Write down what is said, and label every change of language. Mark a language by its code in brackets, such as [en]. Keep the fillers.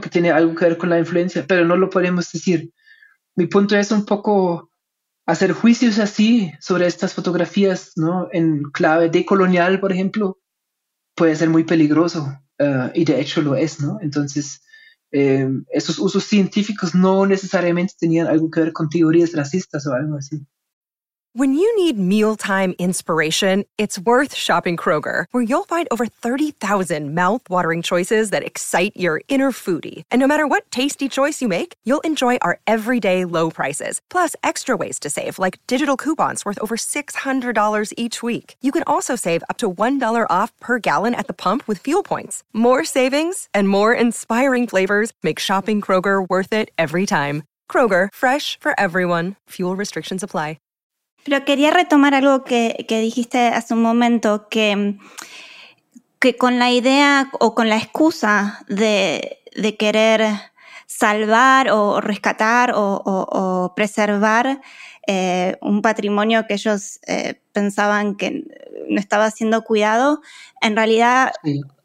[es] que tiene algo que ver con la influencia, pero no lo podemos decir. Mi punto es un poco hacer juicios así sobre estas fotografías ¿no? en clave decolonial, por ejemplo, puede ser muy peligroso. Uh, y de hecho lo es, ¿no? Entonces, eh, esos usos científicos no necesariamente tenían algo que ver con teorías racistas o algo así. [en] When you need mealtime inspiration, it's worth shopping Kroger, where you'll find over 30,000 mouthwatering choices that excite your inner foodie. And no matter what tasty choice you make, you'll enjoy our everyday low prices, plus extra ways to save, like digital coupons worth over $600 each week. You can also save up to $1 off per gallon at the pump with fuel points. More savings and more inspiring flavors make shopping Kroger worth it every time. Kroger, fresh for everyone. Fuel restrictions apply. [es] Pero quería retomar algo que, que, dijiste hace un momento, que, que con la idea o con la excusa de, de querer salvar o rescatar o, o, o preservar eh, un patrimonio que ellos eh, pensaban que no estaba siendo cuidado, en realidad sí.